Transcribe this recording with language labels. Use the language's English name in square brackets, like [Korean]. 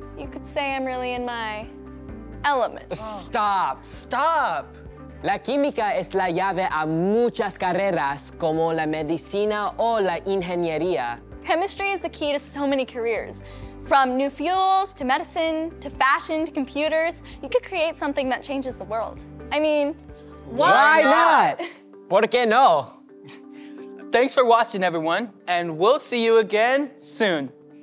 [English] You could say I'm really in my element. Stop, stop! [Spanish] La química es la llave a muchas carreras, como la medicina o la ingeniería. [English] Chemistry is the key to so many careers. From new fuels, to medicine, to fashion, to computers, you could create something that changes the world. I mean, why not? [Spanish] ¿Por qué no? [English] Thanks for watching, everyone, and we'll see you again soon.